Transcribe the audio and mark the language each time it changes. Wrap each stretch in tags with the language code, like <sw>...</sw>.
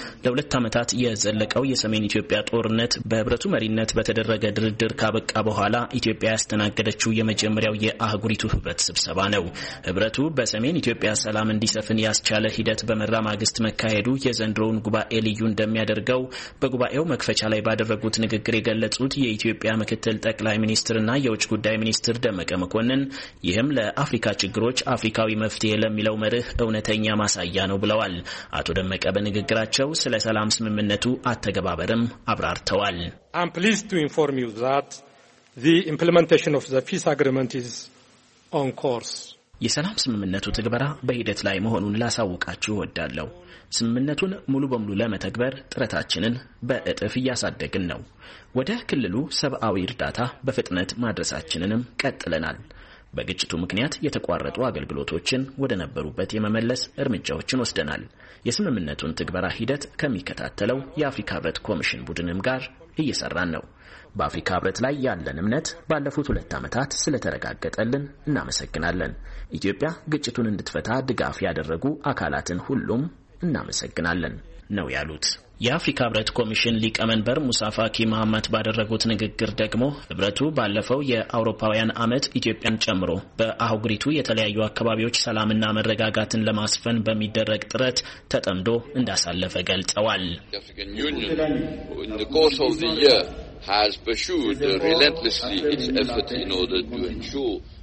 <am>ለሁለት ዓመታት የዘለቀው የሰሜን ኢትዮጵያ ጦርነት በህብረቱ መሪነት በተደረገ ድርድር ካበቃ በኋላ ኢትዮጵያ ያስተናገደችው የመጀመሪያው የአህጉሪቱ ህብረት ስብሰባ ነው። ህብረቱ በሰሜን ኢትዮጵያ ሰላም እንዲሰፍን ያስቻለ ሂደት በመራ ማግስት መካሄዱ የዘንድሮውን ጉባኤ ልዩ እንደሚያደርገው በጉባኤው መክፈቻ ላይ ባደረጉት ንግግር የገለጹት የኢትዮጵያ ምክትል ጠቅላይ ሚኒስትርና የውጭ ጉዳይ ሚኒስትር ደመቀ መኮንን ይህም ለአፍሪካ ችግሮች አፍሪካዊ መፍትሄ ለሚለው መርህ እውነተኛ ማሳያ ነው ብለዋል። አቶ ደመቀ በንግግራቸው ስለ ሰላም ስምምነቱ አተገባበርም አብራርተዋል።</am> <en>I'm pleased to inform you that the implementation of the peace agreement is on course.</en> <am>የሰላም ስምምነቱ ትግበራ በሂደት ላይ መሆኑን ላሳውቃችሁ እወዳለሁ። ስምምነቱን ሙሉ በሙሉ ለመተግበር ጥረታችንን በእጥፍ እያሳደግን ነው። ወደ ክልሉ ሰብአዊ እርዳታ በፍጥነት ማድረሳችንንም ቀጥለናል። በግጭቱ ምክንያት የተቋረጡ አገልግሎቶችን ወደ ነበሩበት የመመለስ እርምጃዎችን ወስደናል። የስምምነቱን ትግበራ ሂደት ከሚከታተለው የአፍሪካ ህብረት ኮሚሽን ቡድንም ጋር እየሰራን ነው። በአፍሪካ ህብረት ላይ ያለን እምነት ባለፉት 2 አመታት ስለተረጋገጠልን እናመሰግናለን። ኢትዮጵያ ግጭቱን እንድትፈታ ድጋፍ ያደረጉ አካላትን ሁሉም እናመሰግናለን ነው ያሉት። የአፍሪካ ህብረት ኮሚሽን ሊቀመንበር ሙሳ ፋኪ መሐመድ ባደረጉት ንግግር ደግሞ ህብረቱ ባለፈው የአውሮፓውያን አመት ኢትዮጵያን ጨምሮ በአህጉሪቱ የተለያዩ አካባቢዎች ሰላምና መረጋጋትን ለማስፈን በሚደረግ ጥረት ተጠምዶ እንዳሳለፈ ገልጸዋል።</am> <en>has pursued relentlessly its effort in order to ensure</en>